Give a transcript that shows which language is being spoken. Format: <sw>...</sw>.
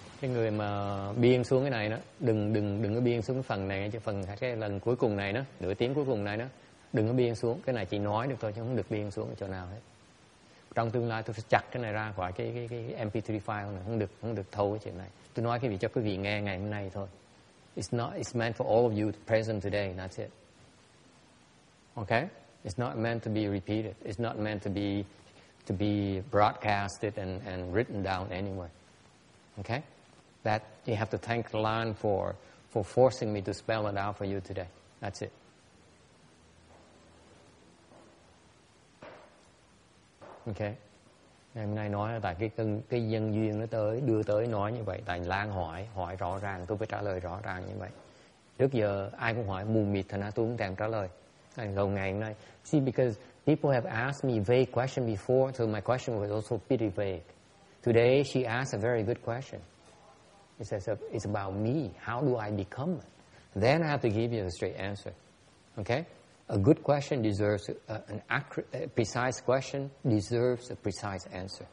<vi>cái người mà biên xuống cái này đó, đừng có biên xuống cái phần này, chứ phần cái lần cuối cùng này đó, nửa tiếng cuối cùng này đó, đừng có biên xuống cái này, chỉ nói được thôi chứ không được biên xuống ở chỗ nào hết. Trong tương lai tôi sẽ chặt cái này ra khỏi cái MP3 file này, không được thâu cái chuyện này. Tôi nói cái gì cho quý vị nghe ngày hôm nay thôi.</vi> <en>It's meant for all of you present today, that's it. Okay? It's not meant to be repeated. It's not meant to be broadcasted and written down anywhere. Okay? That you have to thank the land for forcing me to spell it out for you today. That's it. Okay.</en> <vi>Ngày hôm nay nói là tại cái nhân duyên nó tới, đưa tới nói như vậy. Tại Lan hỏi rõ ràng, tôi phải trả lời rõ ràng như vậy. Trước giờ ai cũng hỏi mù mịt, thành ra tôi cũng đang trả lời. Lâu ngày hôm nay,</vi> <en>see, because people have asked me vague question before, so my question was also pretty vague. Today she asked a very good question. It says it's about me. How do I become it? Then I have to give you a straight answer. Okay? A good question deserves an accurate, precise question deserves a precise answer.</en>